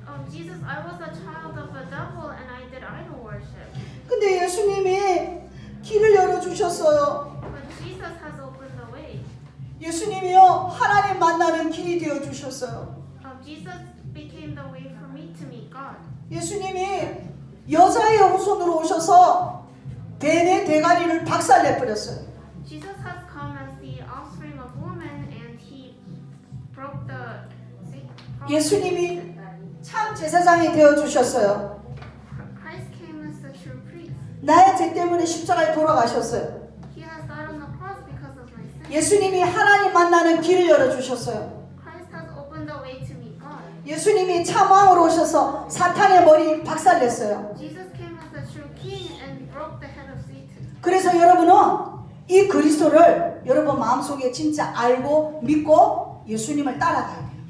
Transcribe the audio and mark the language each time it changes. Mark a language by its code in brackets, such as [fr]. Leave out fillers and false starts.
[en] Jesus, I was a child of the devil and I did idol worship. [ko] 근데 예수님이 길을 열어 주셨어요. [en] But Jesus has opened the way. [ko] 예수님이요 하나님 만나는 길이 되어 주셨어요. [en] Jesus became the way for me to meet God. [ko] 예수님이 여자의 영혼으로 오셔서 뱀의 대가리를 박살 내버렸어요. [en] Jesus has come as the offspring of woman and he broke the. [ko] 예수님이 참 제사장이 되어 주셨어요. [en] Christ came as the true priest. [ko] 나의 죄 때문에 십자가에 돌아가셨어요. [en] He has died on the cross because of my sin. [ko] 예수님이 하나님 만나는 길을 열어 주셨어요. [en] Christ has opened the way to meet God. [ko] 예수님이 참 왕으로 오셔서 사탄의 머리 박살냈어요. [en] Jesus came as the true king and broke the head of Satan. [ko] 그래서 여러분은 이 그리스도를 여러분 마음속에 진짜 알고 믿고 예수님을 따라가야 돼요.